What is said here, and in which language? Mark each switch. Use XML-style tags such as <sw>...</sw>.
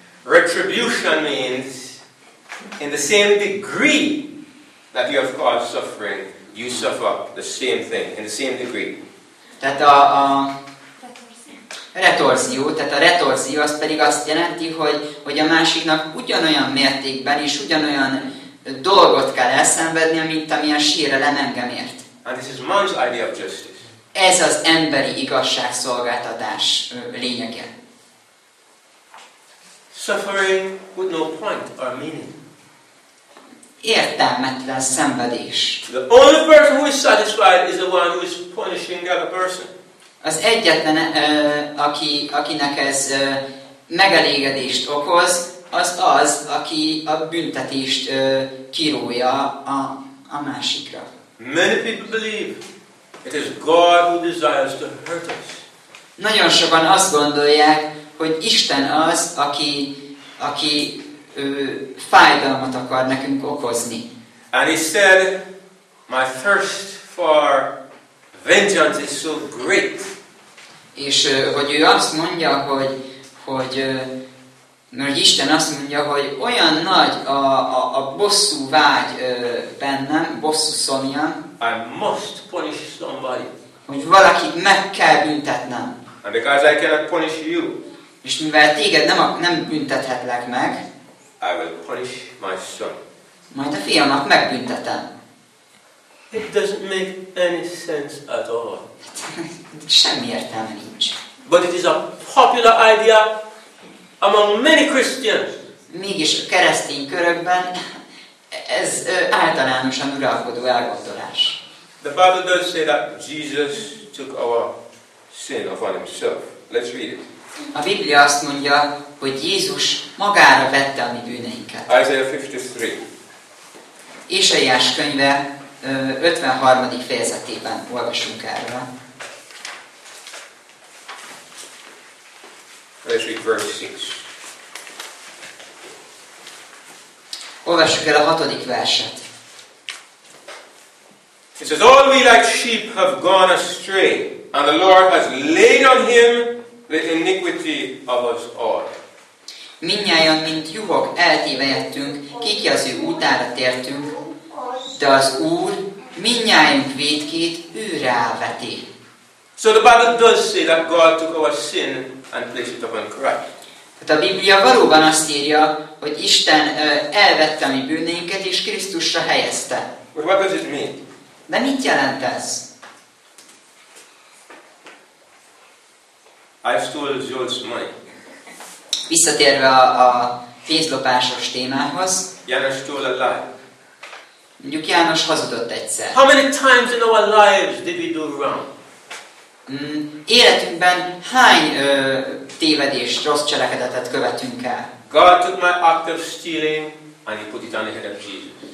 <en>Retribution means in the same degree that you have caused suffering, you suffer the same thing in the same degree.</en> <hu>Tehát a retorzió, tehát a retorzió az pedig azt jelenti, hogy, hogy a másiknak ugyanolyan mértékben is ugyanolyan dolgot kell elszenvednie, mint amilyen sírelem engem ért.</hu> <en>And this is man's idea of justice.</en> <hu>Ez az emberi igazságszolgáltatás lényege.</hu> <en>Suffering with no point or meaning.</en> <hu>Értelmetlen szenvedés.</hu> <en>The only person who is satisfied is the one who is punishing the other person.</en> <hu>Az egyetlen, akinek ez megelégedést okoz, az az, aki a büntetést kirója a másikra.</hu> <en>Many people believe it is God who desires to hurt us.</en> <hu>Nagyon sokan azt gondolják, hogy Isten az, aki fájdalmat akar nekünk okozni.</hu> <en>And he said, my thirst for vengeance is so great.</en> <hu>És hogy ő azt mondja, hogy Isten azt mondja, hogy olyan nagy a bosszú vágy bennem, bosszú szomjam,</hu> <en>I must punish somebody.</en> <hu>Hogy valakit meg kell büntetnem.</hu> <en>And because I cannot punish you.</en> <hu>És mivel téged nem büntethetlek meg,</hu> <en>I will punish my son.</en> <hu>Majd a fiamat megbüntetem.</hu> <en>It doesn't make any sense at all.</en> <hu>Semmi értelme nincs.</hu> <en>But it is a popular idea among many Christians.</en> <hu>Mégis a keresztény körökben ez általánosan uralkodó elgondolás.</hu> <en>The Bible does say that Jesus took our sin upon himself. Let's read it.</en> <hu>A Biblia azt mondja, hogy Jézus magára vette a mi bűneinket.</hu> <en>Isaiah 53.</en> <hu>Ésaiás könyve 53. fejezetében olvasunk erről.</hu> <en>Let's read verse 6.</en> <hu>Olvassuk el a 6. verset.</hu> <en>It says, all we like sheep have gone astray, and the Lord has laid on him the iniquity of us all.</en> <hu>Mindnyájan, mint juhok, eltévejettünk, kiki az ő útára tértünk, de az Úr mindnyájunk vétkét őre elveti.</hu> <en>So the Bible does say that God took our sin and placed it upon Christ.</en> <hu>Tehát a Biblia valóban azt írja, hogy Isten elvette a mi bűneinket és Krisztusra helyezte.</hu> <en>But what does it mean?</en> <hu>De mit jelent ez?</hu> <en>I stole Joel's money.</en> <hu>Visszatérve a pénzlopásos témához.</hu> <en>János stole a lie.</en> <hu>Mondjuk János hazudott egyszer.</hu> <en>How many times in our lives did we do wrong?</en> <hu>Életünkben hány tévedés, rossz cselekedetet követünk el?</hu> <en>God took my act of stealing and he put it on the head of Jesus.</en>